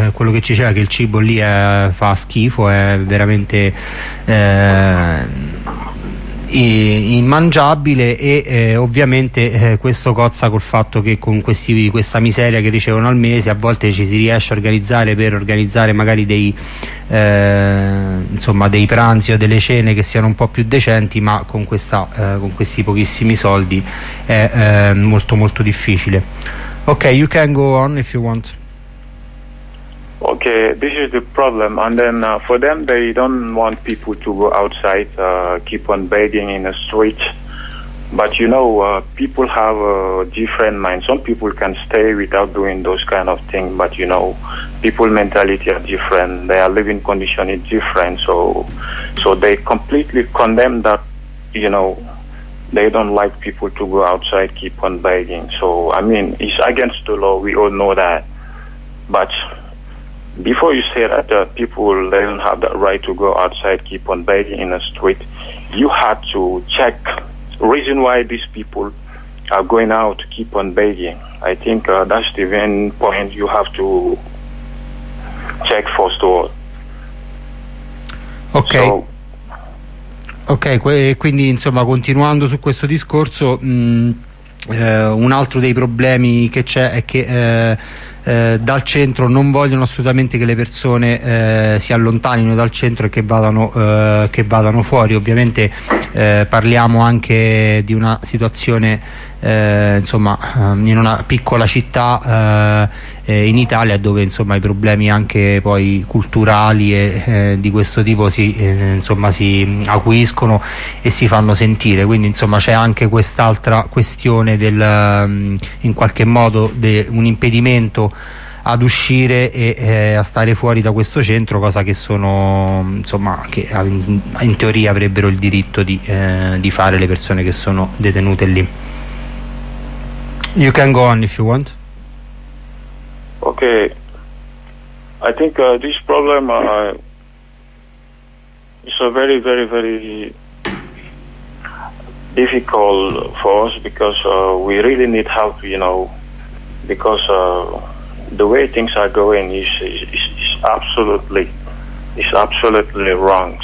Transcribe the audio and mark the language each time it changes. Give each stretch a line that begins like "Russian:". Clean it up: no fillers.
Italian: Quello che ci c'è è che il cibo lì fa schifo, è veramente immangiabile e ovviamente questo cozza col fatto che con questa miseria che ricevono al mese a volte ci si riesce a organizzare per organizzare magari dei pranzi o delle cene che siano un po' più decenti, ma con con questi pochissimi soldi è molto molto difficile.
English: Ok, you can go on if you want. Okay, this is the problem. And then for them, they don't want people to go outside, keep on begging in the street. But you know, people have a different mind. Some people can stay without doing those kind of things. But you know, people mentality are different. Their living condition is different. So they completely condemn that, you know, they don't like people to go outside, keep on begging. So, I mean, it's against the law. We all know that. But before you say that people they don't have the right to go outside, keep on begging in the street, you had to check reason why these people are going out to keep on begging. I think that's the main point you have to check first of all. Okay.
Italian: So, okay, quindi insomma continuando su questo discorso, un altro dei problemi che c'è è che dal centro non vogliono assolutamente che le persone si allontanino dal centro e che vadano fuori. Ovviamente parliamo anche di una situazione insomma in una piccola città in Italia, dove insomma i problemi anche poi culturali e di questo tipo si acuiscono e si fanno sentire. Quindi insomma c'è anche quest'altra questione del in qualche modo de un impedimento ad uscire e a stare fuori da questo centro, cosa che sono insomma che in teoria avrebbero il diritto di fare le persone che sono detenute lì.
English: You can go on if you want. Okay, I think this problem is a very, very, very difficult for us, because we really need help, you know, because the way things are going is absolutely wrong.